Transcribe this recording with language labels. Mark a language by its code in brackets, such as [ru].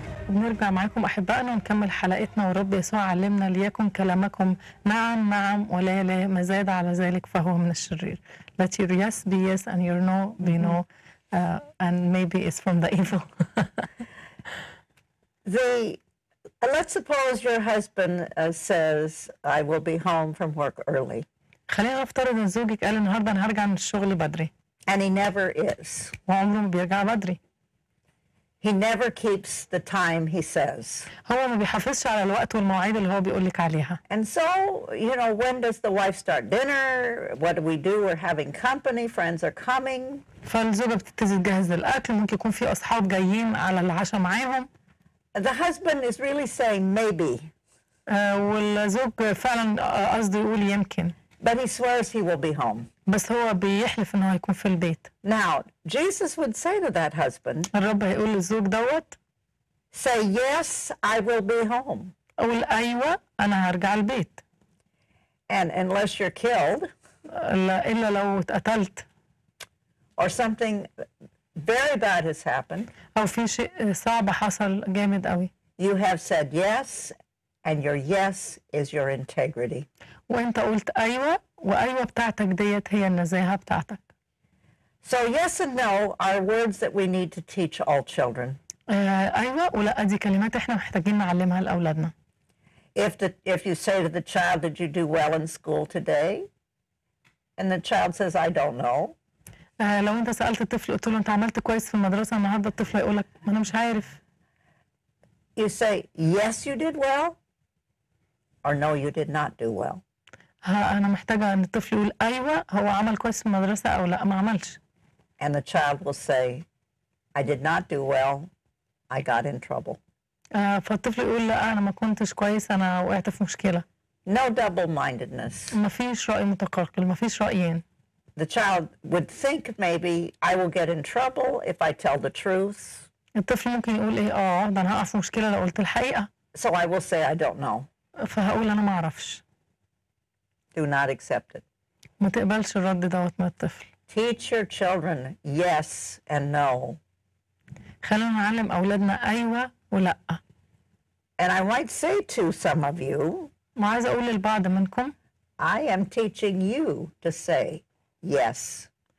[ar] نرجع معكم أحبائنا ونكمل حلقتنا، ورب يسوع علمنا ليكن كلامكم نعم نعم ولا لا، ما زاد على ذلك فهو من الشرير. [en] Let your yes be yes and your no be no and maybe it's from the evil. Let's suppose your husband says I will be home from work early. [ar] خلينا نفترض أن زوجك قال النهاردة أنا هرجع من الشغل بدري. [en] And he never is. [ar] وعمره ما بيرجع بدري. [en] He never keeps the time he says. [ar] هو ما بيحافظش على الوقت والمواعيد اللي هو بيقول لك عليها. [en] And so, you know, when does the wife start dinner? What do we do? We're having company, friends are coming. [ar] فالزوجة بتبتدي تجهز الأكل، ممكن يكون في أصحاب جايين على العشاء معاهم. [en] The husband is really saying maybe. [ar] والزوج فعلا قصده يقول يمكن. [en] But he swears he will be home. [ar] بس هو بيحلف انه هيكون في البيت. [en] Now, Jesus would say to that husband, [ar] الرب هيقول للزوج دوت, [en] say yes, I will be home. [ar] قول ايوه انا هرجع البيت. [en] And unless you're killed, [ar] الا لو اتقتلت, [en] or something very bad has happened, [ar] او في شيء صعب حصل جامد قوي, [en] you have said yes and your yes is your integrity. [ar] وانت قلت ايوه وايوه بتاعتك ديت هي النزاهه بتاعتك. [en] So yes and no are words that we need to teach all children. [ar] ايوه ولا دي كلمات احنا محتاجين نعلمها لاولادنا. [en] If you say to the child, did you do well in school today? And the child says, I don't know. [ar] لو انت سالت الطفل قلت له انت عملت كويس في المدرسه النهارده, الطفل يقول لك ما انا مش عارف. [en] You say, yes, you did well, or no, you did not do well. [ar] أنا محتاجة أن الطفل يقول أيوة هو عمل كويس في المدرسة أو لا ما عملش. [en] And the child will say, I did not do well, I got in trouble. [ar] فالطفل يقول لا أنا ما كنتش كويس, أنا وقعت في مشكلة. [en] No double-mindedness. [ar] ما فيش رأي متقلقل, ما فيش رأيين. [en] The child would think maybe I will get in trouble if I tell the truth. [ar] الطفل ممكن يقول إيه, ده أنا هقع في مشكلة لو قلت الحقيقة. [en] So I will say I don't know. [ar] فهقول أنا ما أعرفش. [en] Do not accept it. [ar] ما تقبلش الرد دوت من الطفل. [en] Teach your children yes and no. [ar] خلونا نعلم أولادنا أيوة ولا. [en] And I might say to some of you. [ar] ما عايز أقول للبعض منكم. [en] I am teaching you to say yes.